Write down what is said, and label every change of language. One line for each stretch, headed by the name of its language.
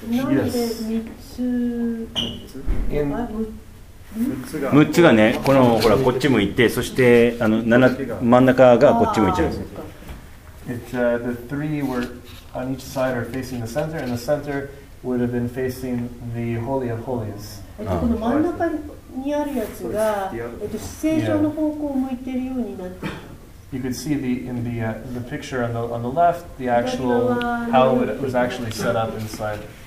English: Yes.
Japanese: 6つがね、このほらこっち向いて、そして真ん中がこっち向いちゃう。
English: The three were on each side are facing the center, and the center would have been facing the Holy of Holies. You could see in the picture on the left the actual how it was actually set up inside.